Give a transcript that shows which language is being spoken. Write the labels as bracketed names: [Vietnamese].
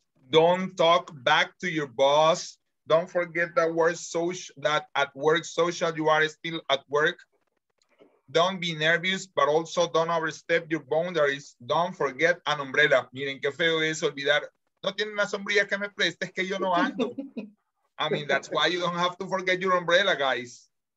[English] Don't talk back to your boss. Don't forget that word social, that at work social, you are still at work. Don't be nervous, but also don't overstep your boundaries. Don't forget an umbrella. [Spanish] Miren que feo es olvidar. No tiene una sombrilla que me preste, es que yo no ando. [English] I mean, that's why you don't have to forget your umbrella, guys.